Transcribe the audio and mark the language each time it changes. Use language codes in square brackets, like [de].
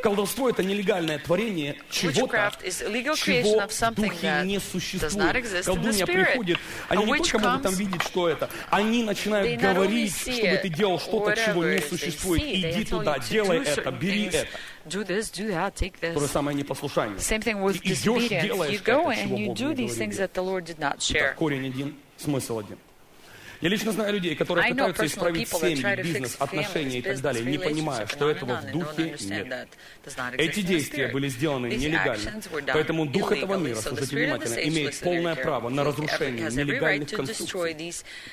[ru] Колдовство – это нелегальное творение чего-то, чего в духе не существует. Колдунья приходит, они не только могут там видеть, что это, они начинают говорить, чтобы ты делал что-то, чего не существует. Иди туда, делай это, бери это. [en] Do this, do that, take this. [ru] То же самое непослушание. [en] Same thing with disobedience. You go and you do these things that the Lord did not share. [ru] Итак, корень один, смысл один. Я лично знаю людей, которые пытаются исправить семьи, бизнес, отношения и так далее, не понимая, что этого в духе нет. Эти действия были сделаны нелегально, поэтому дух этого мира, слушайте внимательно, имеет полное право на разрушение нелегальных конструкций.